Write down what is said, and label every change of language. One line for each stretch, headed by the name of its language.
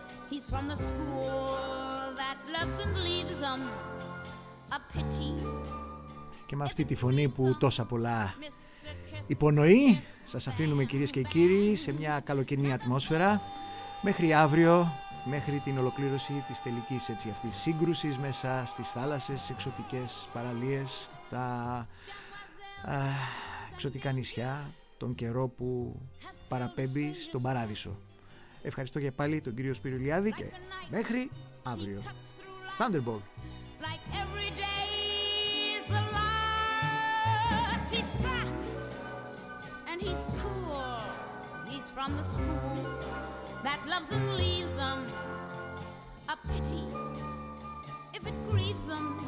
English: He's from the school that loves and leaves them a pity.
Greek: Και με αυτή τη φωνή που τόσα πολλά υπονοεί, σας αφήνουμε κυρίες και κύριοι σε μια καλοκαιρινή ατμόσφαιρα. Μέχρι αύριο, μέχρι την ολοκλήρωση της τελικής έτσι αυτής σύγκρουσης μέσα στις θάλασσες, εξωτικές παραλίες, τα εξωτικά νησιά, τον καιρό που παραπέμπει στον παράδεισο. Ευχαριστώ και πάλι τον κύριο Σπύρο Ηλιάδη και μέχρι αύριο.
English: Thunderbolt. Like every day is the last. He's fast and he's cool. He's from the school that loves and leaves them a pity if it grieves them.